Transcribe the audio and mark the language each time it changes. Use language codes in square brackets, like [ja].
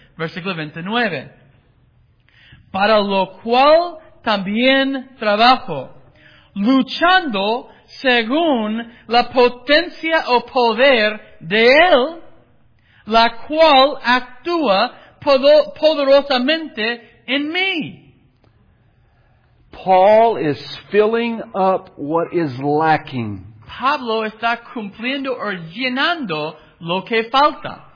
[es] Versículo 29. Para lo cual también trabajo, luchando según la potencia o poder de Él, la cual actúa poderosamente en mí. [en] Paul is filling up what is lacking. [es] Pablo está cumpliendo o llenando lo que falta.